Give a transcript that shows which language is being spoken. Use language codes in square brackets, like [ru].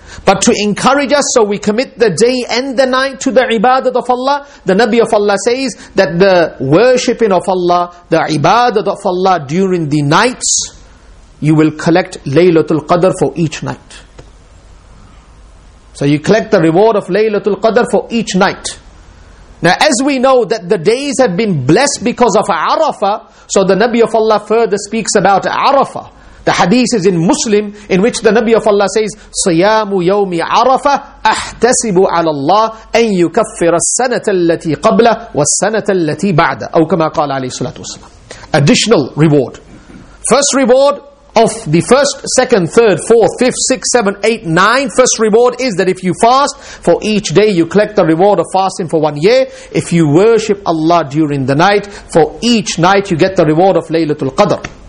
[en] But to encourage us so we commit the day and the night to the ibadat of Allah, the Nabi of Allah says that the worshipping of Allah, the ibadat of Allah during the nights, you will collect Laylatul Qadr for each night. So you collect the reward of Laylatul Qadr for each night. Now as we know that the days have been blessed because of Arafah, so the Nabi of Allah further speaks about Arafah. The hadith is in Muslim, in which the Nabi of Allah says, [ar] صِيَامُ يَوْمِ عَرَفَةَ أَحْتَسِبُ عَلَى اللَّهِ أَنْ يُكَفِّرَ السَّنَةَ الَّتِي قَبْلَ وَالسَّنَةَ الَّتِي بَعْدَ أو كما قال عليه الصلاة والسلام. [en] Additional reward. First reward, of the first, second, third, fourth, fifth, sixth, seventh, eighth, ninth, first reward is that if you fast for each day, you collect the reward of fasting for 1 year. If you worship Allah during the night, for each night you get the reward of Laylatul Qadr.